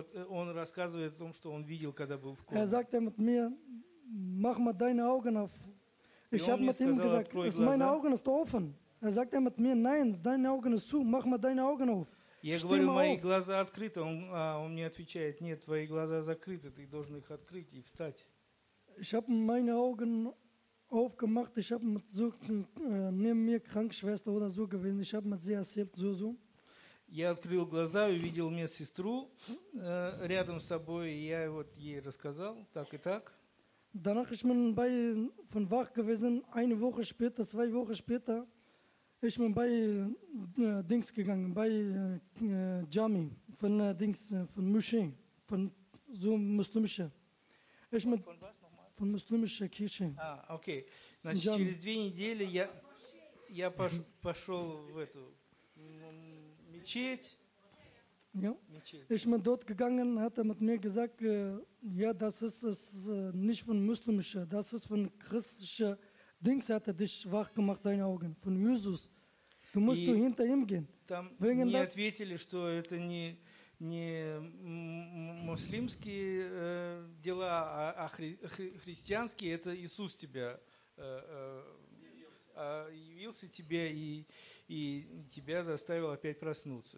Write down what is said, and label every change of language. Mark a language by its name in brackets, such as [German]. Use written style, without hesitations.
[Russian] Он рассказывает о том, что он видел, когда был в коме. [German] Er sagt mit mir, mach mal deine Augen auf. Ich habe mit ihm gesagt, meine Augen ist offen. Er sagt mit mir, nein, deine Augen ist zu, mach mal deine Augen auf. [Russian] Я говорю, мои глаза открыты. Он мне отвечает, нет, твои глаза закрыты, ты должен их открыть и встать. [German] Ich habe meine Augen aufgemacht, ich habe mit so neben mir Krankenschwester oder so gewesen, ich habe mit sie erzählt, so. [Russian] Я открыл глаза, увидел мне сестру рядом с собой, и я вот ей рассказал так и так. [German] Danach ist mein Bein von wach gewesen. Eine Woche später, zwei Wochen später, ist mein Bein Dings gegangen, bei Jami von Dings von Moschee, von so muslimische. Ich mein von muslimische Kirche. Ah, okay. [Russian] Значит, Jami. Через две недели я пошел в эту мечеть. [German] Ja. Ich bin dort gegangen, hat mit mir gesagt, ja, das ist nicht von muslimischer, das ist von christlicher Dings, hat dich wach gemacht, deine Augen, von Jesus. Du musst du hinter ihm gehen. [Russian] Там мне ответили, что это не муслимские дела, а христианские, это Иисус тебя явился тебе и тебя заставил опять проснуться.